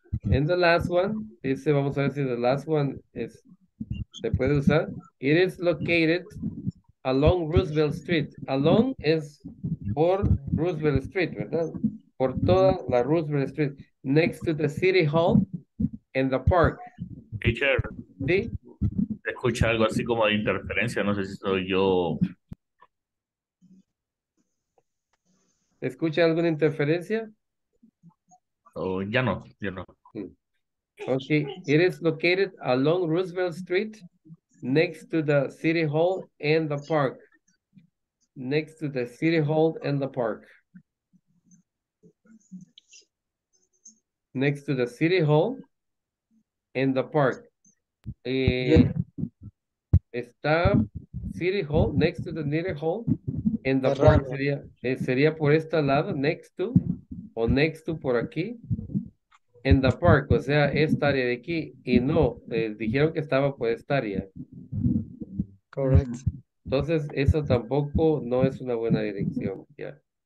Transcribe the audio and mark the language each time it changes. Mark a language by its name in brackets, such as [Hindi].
[English] And the last one, dice, [Spanish] vamos a ver si [English] the last one is, [Spanish] se puede usar. [English] It is located along Roosevelt Street. [Spanish] Along es por Roosevelt Street, ¿verdad? Por toda la Roosevelt Street. [English] Next to the City Hall and the park. Teacher. [Spanish] ¿Sí? Escucha algo así como de interferencia, no sé si soy yo. ¿Escucha alguna interferencia? Oh, ya no. [English] Okay, it is located along Roosevelt Street, next to the City Hall and the park. Next to the City Hall and the park. Next to the City Hall and the park. Está City Hall, next to the City Hall and the park. [Spanish] Sería por este lado, next to, o next to por aquí. En the park, o sea, esta área de aquí, y no, dijeron que estaba por esta área. [English] Correct. [Spanish] Entonces, eso tampoco no es una buena dirección, ya. Yeah.